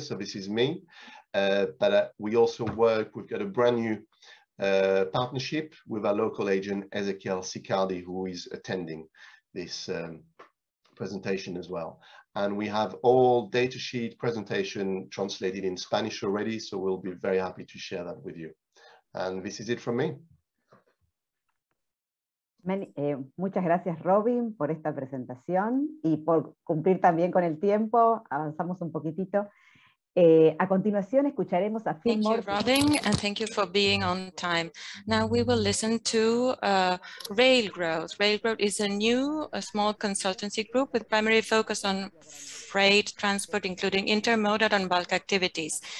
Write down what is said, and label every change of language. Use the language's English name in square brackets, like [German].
[English] So this is me, but we also work, we've got a brand new partnership with our local agent, Ezekiel Sicardi, who is attending this presentation as well. And we have all data sheet presentation translated in Spanish already. So we'll be very happy to share that with you. And this is it from me. [Spanish] Muchas gracias, Robin, por esta presentación y por cumplir también con el tiempo. Avanzamos un poquitito. A continuación, escucharemos a Phil Morton. [English] Thank you, Robin, and thank you for being on time. Now we will listen to Railgrowth. Railgrowth is a new, a small consultancy group with primary focus on freight transport, including intermodal and bulk activities.